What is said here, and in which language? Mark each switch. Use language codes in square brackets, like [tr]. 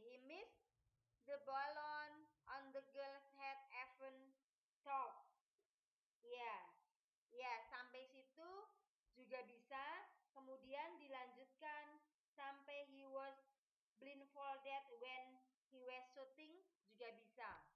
[en] He missed the balloon on the girl's head even top. [id] Ya, sampai situ juga bisa. Kemudian dilanjutkan. Sampai [en] he was blindfolded when he was shooting [id] juga bisa.